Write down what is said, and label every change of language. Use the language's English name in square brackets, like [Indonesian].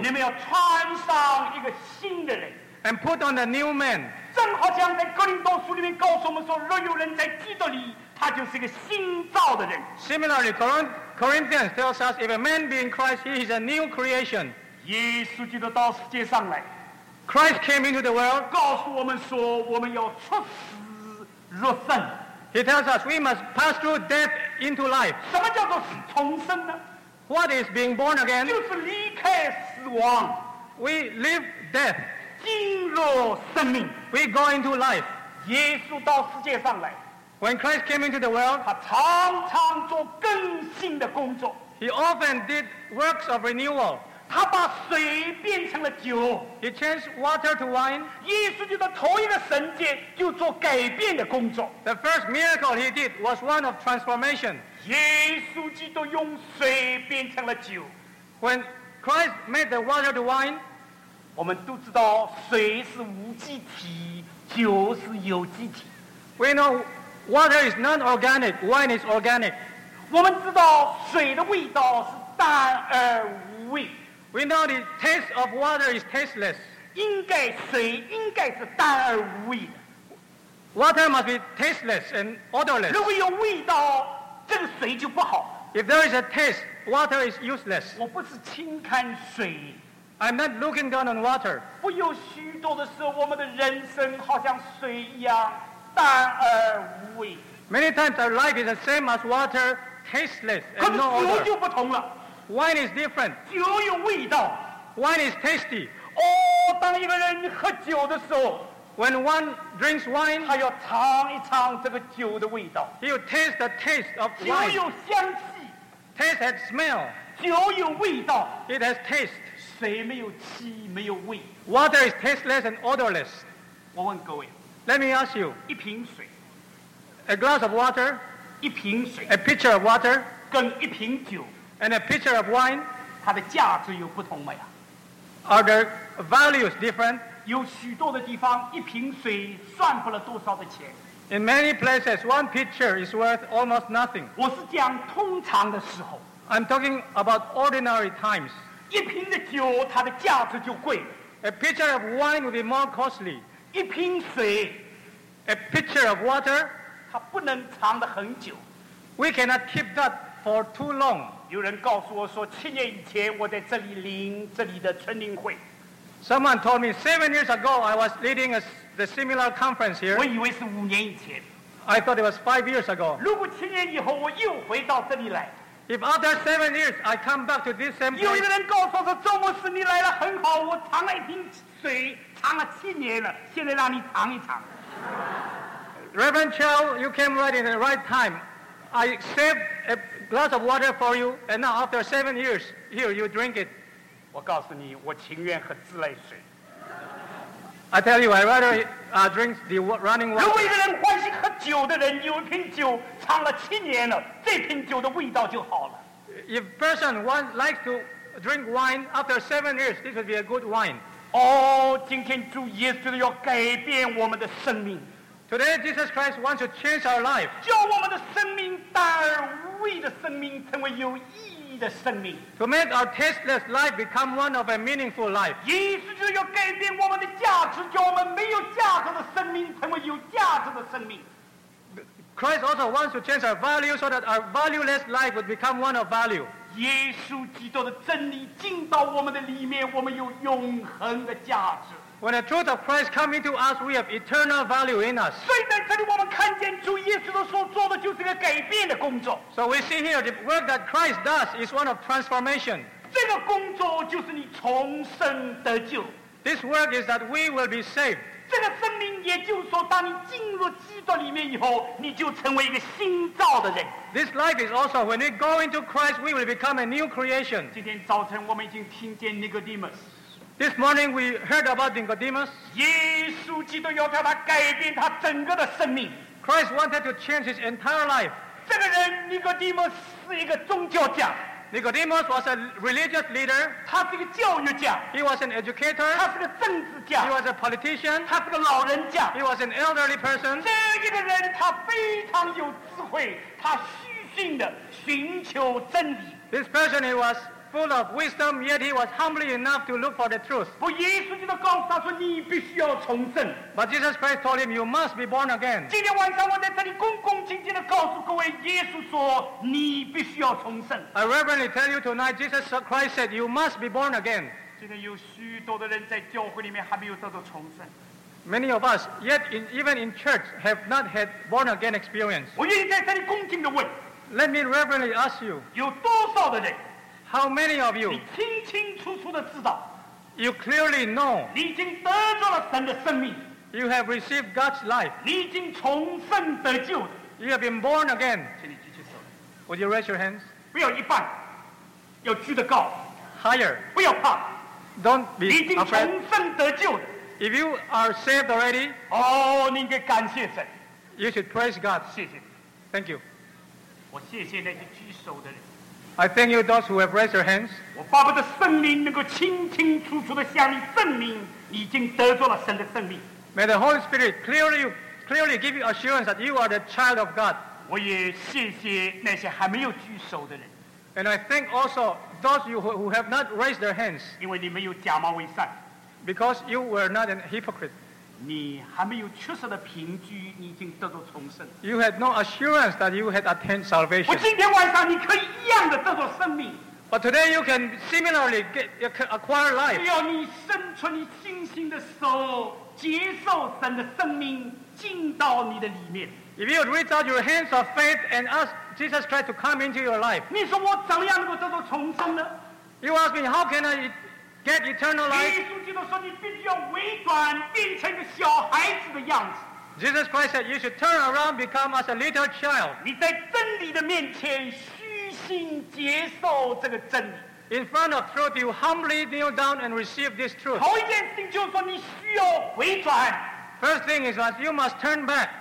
[Chinese] 你们要穿上一个新的人 [English] And put on a new man [Chinese] 正好像在哥林多书里面告诉我们说若有人在基督里他就是一个新造的人 [English] Similarly Corinthians tells us if a man be in Christ he is a new creation [Chinese] 耶稣基督到世界上来 [English] Christ came into the world. [Chinese] 告诉我们说，我们要出死入生。 [English] He tells us we must pass through death into life. [Chinese] 什么叫做重生呢？ [English] What is being born again? [Chinese] 就是离开死亡。 [English] We live death. [Chinese] 进入生命。 [English] We go into life. [Chinese] 耶稣到世界上来。 [English] When Christ came into the world, [Chinese] 他常常做更新的工作。 [English] He often did works of renewal. [Chinese] 他把水变成了酒。 [English] He changed water to wine. [Chinese] 耶稣基督头一个神迹就做改变的工作。 [English] The first miracle he did was one of transformation. [Chinese] 耶稣基督用水变成了酒。 [English] When Christ made the water to wine, [Chinese] 我们都知道水是无机体，酒是有机体。 [English] We know water is non-organic, wine is organic. [Chinese] 我们知道水的味道是淡而无味。 [English] We know the taste of water is tasteless. [Chinese] 应该水应该是淡而无味的。 [English] Water must be tasteless and odorless. [Chinese] 如果有味道，这个水就不好。 [English] If there is a taste, water is useless. [Chinese] 我不是轻看水。 [English] I'm not looking down on water. [Chinese] 不有许多的时候，我们的人生好像水一样淡而无味。 [English] Many times our life is the same as water, tasteless and no odor. [Chinese] 可是酒就不同了。 [English] Wine is different. [Chinese] 酒有味道。 [English] Wine is tasty. [Chinese] 哦，当一个人喝酒的时候 [English] ，When one drinks wine, [Chinese] 他要尝一尝这个酒的味道。 [English] He will taste the taste of wine. [Chinese] 酒有香气。 [English] Taste has smell. [Chinese] 酒有味道。 [English] It has taste. [Chinese] 水没有气，没有味。 [English] Water is tasteless and odorless. [Chinese] 我问各位 [English] ，Let me ask you. [Chinese] 一瓶水 [English] ，A glass of water. [Chinese] 一瓶水 [English] ，A pitcher of water. [Chinese] 跟一瓶酒。 [English] And a pitcher of wine, [Chinese] 它的价值有不同吗呀 [English] ？Are the values different? [Chinese] 有许多的地方，一瓶水算不了多少的钱。 [English] In many places, one pitcher is worth almost nothing. [Chinese] 我是讲通常的时候。 [English] I'm talking about ordinary times. [Chinese] 一瓶的酒，它的价值就贵。 [English] A pitcher of wine would be more costly. [Chinese] 一瓶水 [English] ，A pitcher of water, [Chinese] 它不能藏得很久。 [English] We cannot keep that for too long. [Chinese] 有人告诉我说，七年以前我在这里领这里的村领会。 [English] Someone told me 7 years ago I was leading the similar conference here. [Chinese] 我以为是5年以前。 [English] I thought it was 5 years ago. [Chinese] 如果七年以后我又回到这里来。 [English] If after 7 years I come back to this same place, [Chinese] 有一个人告诉我说，周牧师你来了很好，我藏了一瓶水藏了7年了，现在让你尝一尝。 [English] Reverend Chow, you came right in the right time. I saved a glass of water for you, and now after 7 years, here you drink it. [Chinese] 我告诉你，我情愿喝自来水。 [English] I tell you, I rather drink the running water. [Chinese] 如果一个人欢喜喝酒的人，有一瓶酒藏了7年了，这瓶酒的味道就好了。 [English] If person one likes to drink wine after 7 years, this would be a good wine. [Chinese] 哦，今天主耶稣要改变我们的生命。 [English] Today Jesus Christ wants to change our life. [Chinese] 叫我们的生命大而无味的生命成为有意义的生命。 [English] To make our tasteless life become one of a meaningful life. [Chinese] 意思就是要改变我们的价值，叫我们没有价值的生命成为有价值的生命。 [English] Christ also wants to change our value so that our valueless life would become one of value. [Chinese] 耶稣基督的真理进到我们的里面，我们有永恒的价值。 [English] When the truth of Christ comes into us, we have eternal value in us. [Chinese] 所以在这里我们看见主耶稣的所做的就是个改变的工作。 [English] So we see here the work that Christ does is one of transformation. [Chinese] 这个工作就是你重生得救。 [English] This work is that we will be saved. [Chinese] 这个生命也就是说，当你进入基督里面以后，你就成为一个新造的人。 [English] This life is also when we go into Christ, we will become a new creation. [Chinese] 今天早晨我们已经听见 Nicodemus. [English] This morning we heard about Nicodemus. [Chinese] 耶稣基督要叫他改变他整个的生命。 [English] Christ wanted to change his entire life. [Chinese] 这个人 Nicodemus 是一个宗教家。 [English] Nicodemus was a religious leader. [Chinese] 他是一个教育家。 [English] He was an educator. [Chinese] 他是个政治家。 [English] He was a politician. [Chinese] 他是个老人家。 [English] He was an elderly person. [Chinese] 这一个人他非常有智慧，他虚心的寻求真理。 [English] This person he was. Full of wisdom, yet he was humbly enough to look for the truth. [Chinese] 不，耶稣基督告诉他说，你必须要重生。 [English] But Jesus Christ told him, you must be born again. [Chinese] 今天晚上我在这里恭恭敬敬地告诉各位，耶稣说，你必须要重生。 [English] I reverently tell you tonight, Jesus Christ said, you must be born again. [Chinese] 今天有许多的人在教会里面还没有得到重生。 [English] Many of us, yet even in church, have not had born again experience. [Chinese] 我愿意在这里恭敬地问。 [English] Let me reverently ask you. [Chinese] 有多少的人？ [English] How many of you? [Chinese] 你清清楚楚的知道。 [English] You clearly know. [Chinese] 你已经得着了神的生命。 [English] You have received God's life. [Chinese] 你已经重生得救。 [English] You have been born again. [Chinese] 请你举起手。 [English] Would you raise your hands? [Chinese] 不要一半，要举得高。 [English] Higher. [Chinese] 不要怕。 [English] Don't be afraid. [Chinese] 你已经重生得救。 [English] If you are saved already. [Chinese] 哦，你应该感谢神。 [English] You should praise God. [Chinese] 谢谢。 [English] Thank you. [Chinese] 我谢谢那些举手的人。 [English] I thank you those who have raised your hands. [Chinese] 我巴不得圣灵能够清清楚楚地向你证明已经得着了神的圣灵。 [English] May the Holy Spirit clearly give you assurance that you are the child of God. [Chinese] 我也谢谢那些还没有举手的人。 [English] And I thank also those of you who have not raised their hands. [Chinese] 因为你没有假冒伪善。 [English] Because you were not a hypocrite. [Chinese] 你还没有确实的凭据，你已经得到重生。 [English] You had no assurance that you had attained salvation. [Chinese] 我今天晚上你可以一样的得到生命。 [English] But today you can similarly acquire life. [Chinese] 只要你伸出你信心的手，接受神的生命进到你的里面。 [English] If you reach out your hands of faith and ask Jesus Christ to come into your life. [Chinese] 你说我怎样能够得到重生呢？ [English] You ask me how can I? Get eternal life. [Chinese] 耶稣基督说你必须要回转变成个小孩子的样子。 [English] Jesus Christ said you should turn around become as a little child. [Chinese] 你在真理的面前虚心接受这个真理。 [English] In front of truth you humbly kneel down and receive this truth. [Chinese] 头一件事情就是说你需要回转。 [English] First thing is that you must turn back.